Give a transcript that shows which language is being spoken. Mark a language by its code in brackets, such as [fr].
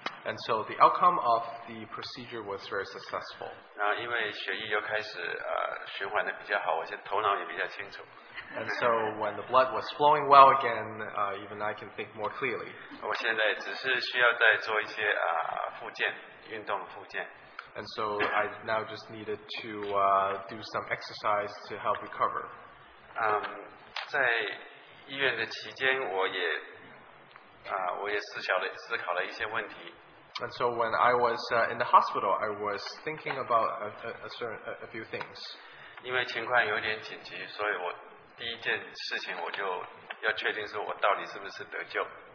[en] And so the outcome of the procedure was very successful. [zh] 然后因为血液又开始循环的比较好，我现在头脑也比较清楚。 [en] And so when the blood was flowing well again, even I can think more clearly. [zh] 我现在只是需要再做一些复健，运动复健。 [en] And so I now just needed to do some exercise to help recover. [zh] 在医院的期间，我也思考了一些问题。 [en] And so when I was in the hospital, I was thinking about a few things. [zh] 因为情况有点紧急，所以我第一件事情我就要确定说我到底是不是得救。